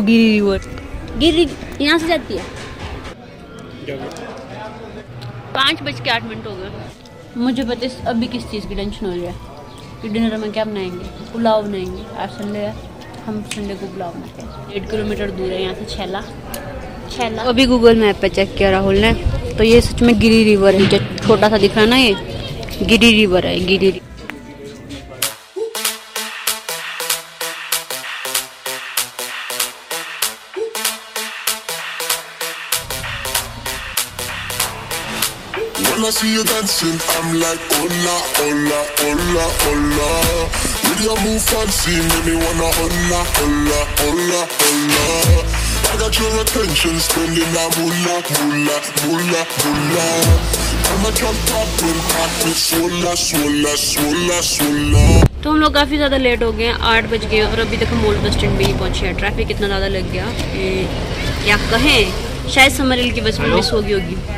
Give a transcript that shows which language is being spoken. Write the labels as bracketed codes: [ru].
[hi] गिरी river, गिरी यहाँ से जाती है। 5:08 हो गए मुझे पता है अभी किस चीज़ की टेंशन हो रही है कि डिनर में क्या बनाएंगे। पुलाव बनाएंगे आज संडे है, हम संडे को पुलाव बनाते हैं। 1 किलोमीटर दूर है यहाँ से छैला, छैला। अभी गूगल मैप पे चेक किया राहुल ने तो ये सच में गिरी रिवर है, जो छोटा सा दिख रहा है ना ये गिरी रिवर है। [en] Giri I see you dancing, I'm like, hola, hola, hola, hola. With your move fancy, make me wanna hola, hola, hola, hola. I got your attention, spending a moolah, moolah, moolah, moolah. I'ma jump top and pop it, swola, swola, swola, swola. [hi] तो हम लोग काफ़ी ज़्यादा late हो गए हैं, 8 बज गए और अभी तक हम ओल्ड बस स्टैंड भी नहीं पहुँचे हैं। ट्रैफिक इतना ज़्यादा लग गया कि क्या कहें, शायद समरिल की बस मिस हो गई होगी।